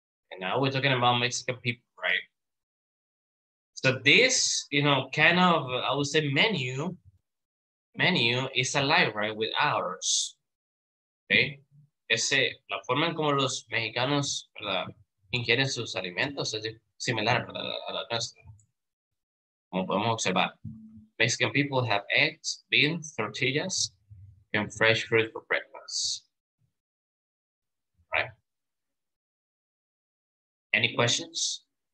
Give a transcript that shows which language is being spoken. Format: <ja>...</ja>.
<en>And now we're talking about Mexican people, right? So this, you know, kind of, I would say menu is alive, right, with ours, okay?</en> <es>Ese, la forma en como los mexicanos, ¿verdad?, ingieren sus alimentos es similar a la nuestra. Como podemos observar,</es> <en>Mexican people have eggs, beans, tortillas, and fresh fruit for breakfast, right? Any questions?</en>